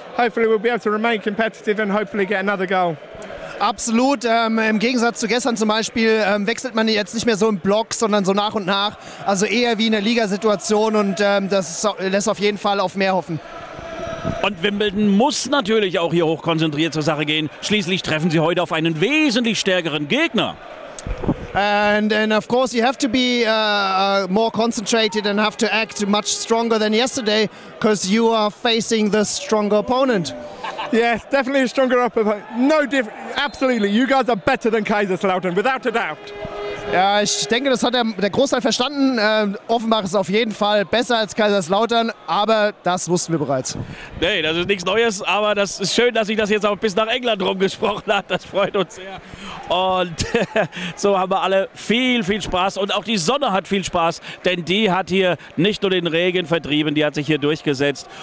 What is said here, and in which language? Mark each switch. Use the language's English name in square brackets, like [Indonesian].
[English] Hopefully we'll be able to remain competitive and hopefully get another goal. [German] Absolut. Im Gegensatz zu gestern zum Beispiel wechselt man jetzt nicht mehr so im Block, sondern so nach und nach. Also eher wie in der Ligasituation und das lässt auf jeden Fall auf mehr hoffen. Und Wimbledon muss natürlich auch hier hochkonzentriert zur Sache gehen. Schließlich treffen sie heute auf einen wesentlich stärkeren Gegner. [English] And then of course you have to be more concentrated and have to act much stronger than yesterday, because you are facing the stronger opponent. Yes, definitely a stronger opponent. No difference. Absolutely. You guys are better than Kaiserslautern, without a doubt. [German] Ja, ich denke, das hat der Großteil verstanden. Offenbach ist auf jeden Fall besser als Kaiserslautern, aber das wussten wir bereits. Nee, das ist nichts Neues, aber das ist schön, dass sich das jetzt auch bis nach England rumgesprochen hat. Das freut uns sehr. Und so haben wir alle viel, viel Spaß und auch die Sonne hat viel Spaß, denn die hat hier nicht nur den Regen vertrieben, die hat sich hier durchgesetzt.